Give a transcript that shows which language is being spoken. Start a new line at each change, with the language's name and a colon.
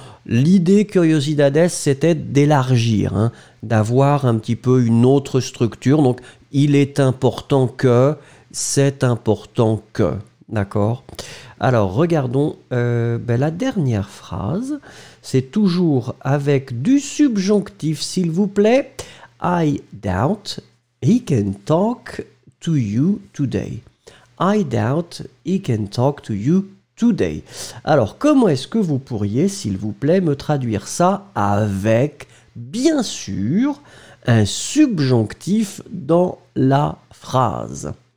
French: L'idée, curiosidades, c'était d'élargir, hein, d'avoir un petit peu une autre structure. Donc, il est important que, c'est important que. D'accord? Alors, regardons ben, la dernière phrase. C'est toujours avec du subjonctif, s'il vous plaît.
English: I doubt he can talk to you today. I doubt he can talk to you today.
French: Alors, comment est-ce que vous pourriez, s'il vous plaît, me traduire ça avec, bien sûr, un subjonctif dans la phrase?